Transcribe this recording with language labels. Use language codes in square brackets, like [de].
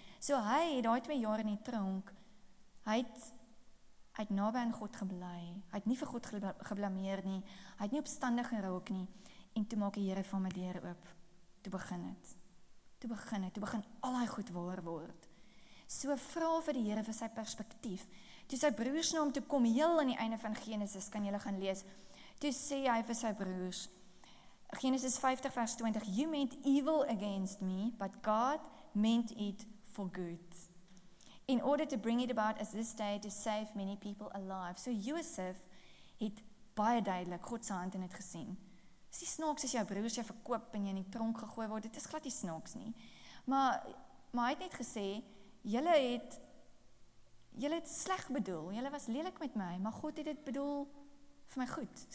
[af] So hy het daai 2 jaar in die tronk. Hy het naby aan God gebly. Hy het nie vir God geblameer nie. Hy het nie opstandig geraak nie. En toe maak die Here van my deur oop. Toe begin het. Toe begin al hy goed waar word. So vra vir die Here vir sy perspektief. Toe sy broers na hom toe kom, heel aan die einde van Genesis, kan julle gaan lees. Toe sê hy vir sy broers, Genesis 50 vers 20, [en] "You meant evil against me, but God meant it for good. In order to bring it about as this day to save many people alive." [af] So Josef het baie duidelik God se hand in het gesien. Is die snaaks as jou broers jou verkoop en jy in die tronk gegooi word? Dit is glad die snaaks nie. Maar hy het net gesê, jylle het sleg bedoel, jylle was lelik met my, maar God het dit bedoel vir my goed.